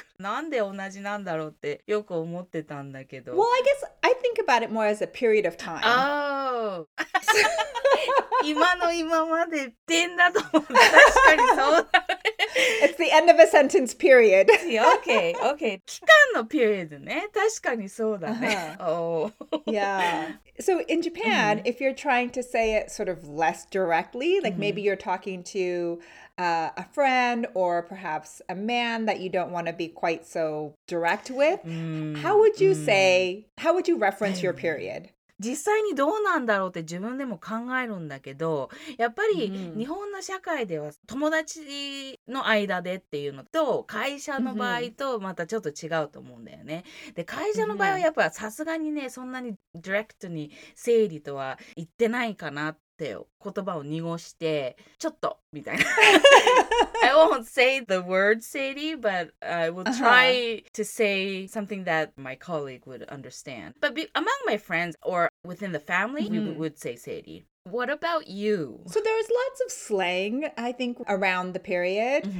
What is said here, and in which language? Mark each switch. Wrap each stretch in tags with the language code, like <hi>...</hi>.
<ja>なんで同じなんだろうってよく思ってたんだけど。</ja> <en>Well, I guess I think about it more as a period of time. Oh.</en> <ja>今の今まで点だと思う。確かにそうだ。</ja> <en>It's the end of a sentence, period. okay, okay.</en> <ja>期間の period ね。確かにそうだね。</ja> <en>Yeah. So in Japan, if you're trying to say it sort of less directly, like maybe you're talking to a friend or perhaps a man that you don't want to be quite so direct with, how would you say, how would you reference your period?</en> <ja>実際にどうなんだろうって自分でも考えるんだけど、やっぱり日本の社会では友達の間でっていうのと会社の場合とまたちょっと違うと思うんだよね。で、会社の場合はやっぱさすがにね、そんなにディレクトに生理とは言ってないかなって言葉を濁してちょっとみたいな。</ja> <en>I won't say the word 生理, but I will try to say something that my colleague would understand. But among my friends or within the family, we would say 生理. What about you? So there is lots of slang, I think, around the period.</en>